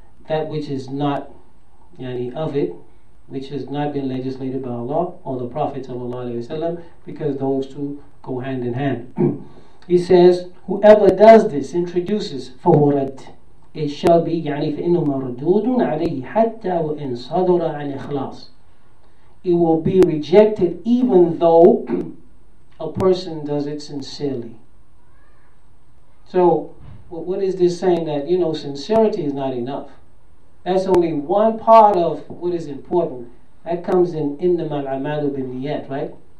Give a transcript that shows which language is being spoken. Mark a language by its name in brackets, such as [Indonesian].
[English] That which is not, yani of it, which has not been legislated by Allah or the Prophet صلى الله عليه وسلم, because those two go hand in hand. He says, whoever does this, introduces فَهُرَدْ, it shall be, [Arabic] يعني فإنه مردود عليه حتى وإن صدر عن إخلاص. [English] It will be rejected even though a person does it sincerely. So, what is this saying? That, you know, sincerity is not enough. That's only one part of what is important. That comes in [Arabic] إِنَّمَا الْعَمَالُ بِالنِّيَّةِ, [English] right?